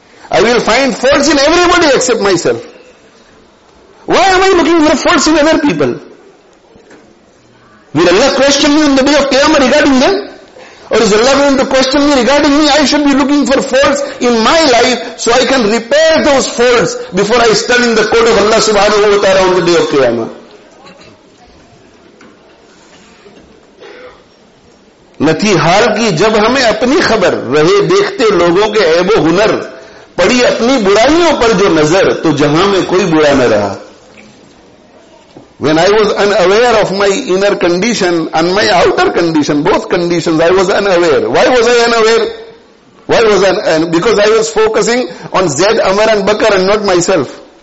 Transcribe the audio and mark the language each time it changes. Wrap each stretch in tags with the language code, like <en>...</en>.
<en>I will find faults in everybody except myself. Why am I looking for faults in other people? Will Allah question me on the day of Qiyamah regarding them? Or is Allah going to question me regarding me? I should be looking for faults in my life so I can repair those faults before I stand in the court of Allah subhanahu wa ta'ala on the day of Qiyamah.</en> <ur>نتی حال کی جب ہمیں اپنی خبر رہے دیکھتے لوگوں کے عیب و ہنر پڑی اپنی برائیوں پر جو نظر تو جہاں میں کوئی برا نہ رہا.</ur> <en>When I was unaware of my inner condition and my outer condition, both conditions, I was unaware. Why was I unaware? Why was I unaware? Because I was focusing on Zaid, Amr and Bakr and not myself.</en>